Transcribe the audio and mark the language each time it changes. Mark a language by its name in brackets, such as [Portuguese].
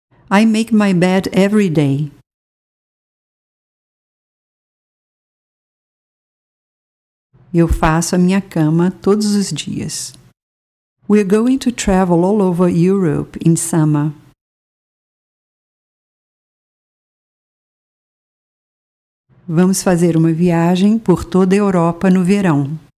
[English] I make my bed every day. [Portuguese] Eu faço a minha cama todos os dias. [English] We're going to travel all over Europe in summer. [Portuguese] Vamos fazer uma viagem por toda a Europa no verão.